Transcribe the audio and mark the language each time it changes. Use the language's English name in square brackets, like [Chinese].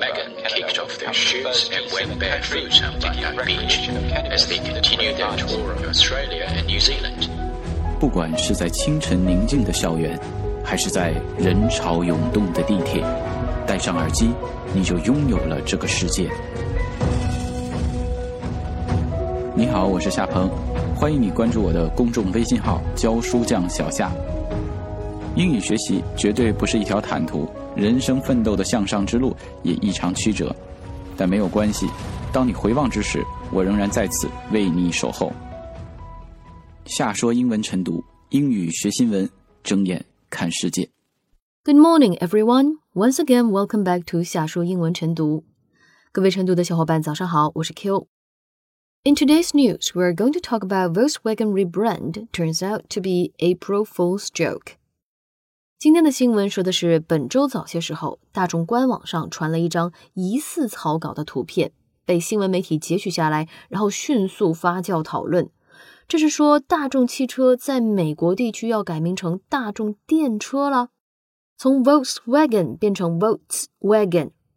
[English] Megan kicked off their shoes and went barefoot on Bondi Beach as they continued their tour of Australia and New Zealand. [Chinese] 不管是在清晨宁静的校园，还是在人潮涌动的地铁，戴上耳机，你就拥有了这个世界。你好，我是夏鹏，欢迎你关注我的公众微信号教书匠小夏。英语学习绝对不是一条坦途，人生奋斗的向上之路也异常曲折，但没有关系，当你回望之时，我仍然在此为你守候。夏说英文晨读，英语学新闻，睁眼看世界。 [English] Good morning everyone, once again welcome back to 夏说英文晨读。 [Chinese] 各位晨读的小伙伴早上好，我是 Q。 [English] In today's news, we're going to talk about Volkswagen rebrand turns out to be April Fool's joke. [Chinese] 今天的新闻说的是本周早些时候，大众官网上传了一张疑似草稿的图片，被新闻媒体截取下来，然后迅速发酵讨论。这是说大众汽车在美国地区要改名成大众电车了，从 Volkswagen 变成 Volkswagen。